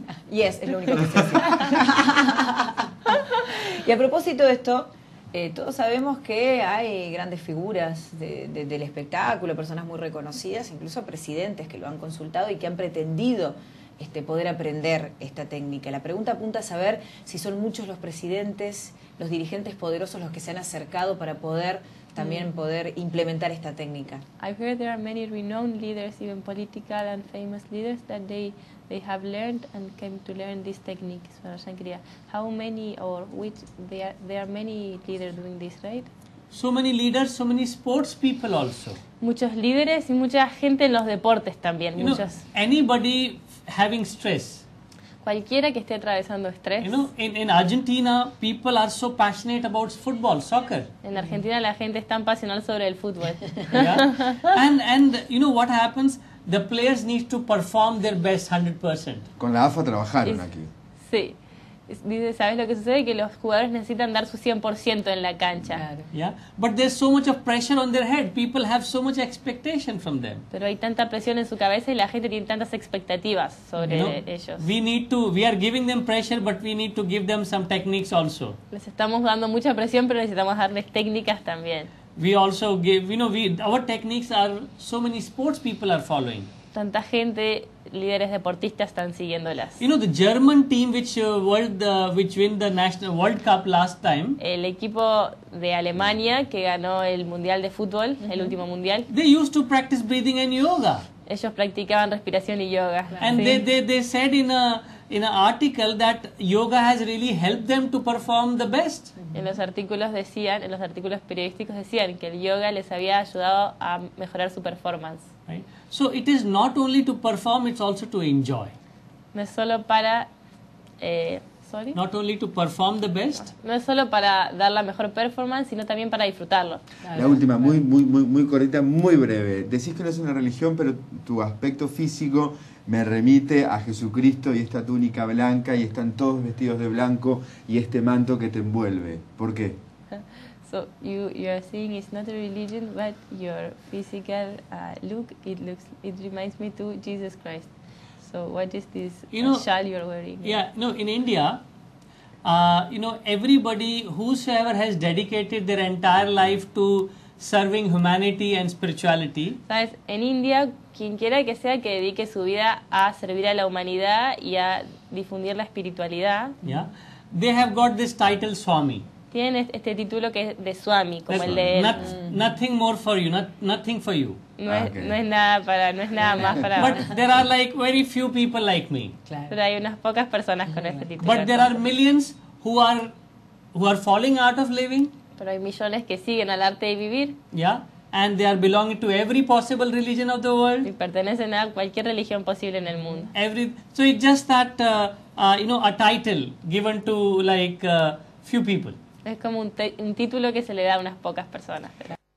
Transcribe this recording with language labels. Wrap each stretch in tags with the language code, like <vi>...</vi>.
<es>Yes, es lo único que sé. Y a propósito de esto, todos sabemos que hay grandes figuras del espectáculo, personas muy reconocidas, incluso presidentes que lo han consultado y que han pretendido poder aprender esta técnica. La pregunta apunta a saber si son muchos los presidentes, los dirigentes poderosos los que se han acercado para poder también poder implementar esta técnica.</es> <en>I've heard there are many renowned leaders, even political and famous leaders, that they have learned and came to learn this technique, Sudarshan Kriya. How many or which there are many leaders doing this, right? So many leaders, so many sports people also.</en> <es>Muchos líderes y mucha gente en los deportes también.</es> <en>You</en> <es>muchos.</es> <en>Know, anybody having stress.</en> <es>Cualquiera que esté atravesando estrés.</es> <en>You know, in Argentina, people are so passionate about football, soccer.</en> <es>En Argentina la gente es tan pasional sobre el fútbol.</es> <en>Yeah. And you know what happens? The players need to perform their best 100%.</en> <es>Con la AFA trabajaron aquí. Sí. Dice, ¿sabes lo que sucede? Que los jugadores necesitan dar su 100% en la cancha. Claro. Yeah.</es> <en>But there's so much of pressure on their head. People have so much expectation from them.</en> <es>Pero hay tanta presión en su cabeza y la gente tiene tantas expectativas sobre ellos.</es> <en>We are giving them pressure, but we need to give them some techniques also.</en> <es>Les estamos dando mucha presión, pero necesitamos darles técnicas también.</es> <en>We also give, you know, our techniques are so many sports people are following.</en> <es>Tanta gente, líderes deportistas están siguiéndolas.</es> <en>You know the German team which won the national World Cup last time.</en> <es>El equipo de Alemania que ganó el mundial de fútbol, el último mundial.</es> <en>They used to practice breathing and yoga.</en> <es>Ellos practicaban respiración y yoga.</es> <en>And</en> <es>¿sí?</es> <en>they said in an article that yoga has really helped them to perform the best.</en> <es>En los artículos periodísticos decían que el yoga les había ayudado a mejorar su performance.</es> <en>Right. So it is not only to perform, it's also to enjoy.</en> <es>No es solo para</es> <en>sorry. Not only to perform the best.</en> <es>No es solo para dar la mejor performance, sino también para disfrutarlo. La última, muy muy muy muy cortita, muy breve. Decís que no es una religión, pero tu aspecto físico me remite a Jesucristo y esta túnica blanca y están todos vestidos de blanco y este manto que te envuelve. ¿Por qué?</es> <en>So you are saying it's not a religion, but your physical look, it reminds me to Jesus Christ. So what is this shawl you are wearing? Yeah, no, in India, everybody whosoever has dedicated their entire life to serving humanity and spirituality.</en> <es>¿Sabes? En India, quien quiera que sea que dedique su vida a servir a la humanidad y a difundir la espiritualidad.</es> <en>Yeah. They have got this title Swami.</en> <es>Tienen este título que es de Swami, como el de él.</es> <en>Nothing more for you, nothing for you.</en> <es>No es nada más para</es> <en>But there are like very few people like me.</en> <es>Claro. Pero hay unas pocas personas con este título.</es> <en>But there are millions who are falling out of living.</en> <es>Pero hay millones que siguen al arte de vivir.</es> <en>Yeah. And they are belonging to every possible religion of the world.</en> <es>Y pertenecen a cualquier religión posible en el mundo.</es> <en>So it's just that a title given to like few people.</en> <es>Es como un título que se le da a unas pocas personas. Pero...</es>